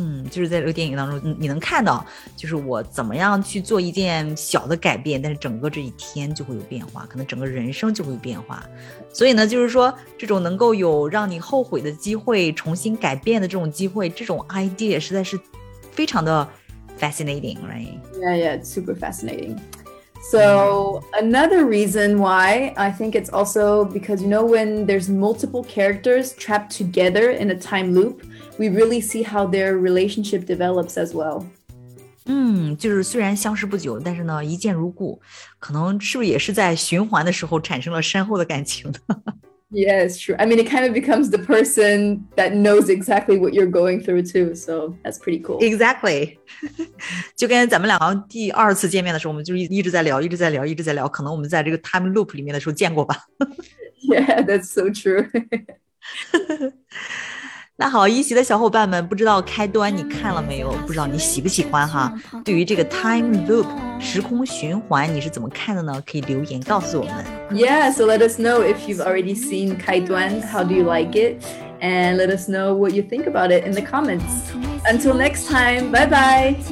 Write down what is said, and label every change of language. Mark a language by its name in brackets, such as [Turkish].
[Chinese] 就是在这个电影当中你能看到就是我怎么样去做一件小的改变，但是整个这一天就会有变化，可能整个人生就会有变化。所以呢，就是说这种能够有让你后悔的机会，重新改变的这种机会，这种 idea 实在是非常的 [English] fascinating, right? Yeah, yeah, it's super fascinating. So another reason why I think it's also because, you know, when there's multiple characters trapped together in a time loop, we really see how their relationship develops as well. [Chinese] 就是虽然相识不久，但是呢一见如故，可能是不是也是在循环的时候产生了深厚的感情呢？ [English] Yes, true. I mean, it kind of becomes the person that knows exactly what you're going through too. So that's pretty cool. Exactly. [Chinese] 就跟咱们两个第二次见面的时候，我们就一直在聊，一直在聊，一直在聊。可能我们在这个 time loop 里面的时候见过吧。 [English] Yeah, that's so true. [Chinese] 那好，一席的小伙伴们，不知道开端你看了没有？不知道你喜不喜欢哈？对于这个 time loop 时空循环，你是怎么看的呢？可以留言告诉我们。 [English] Yeah, so let us know if you've already seen 开端, how do you like it? And let us know what you think about it in the comments. Until next time, bye bye!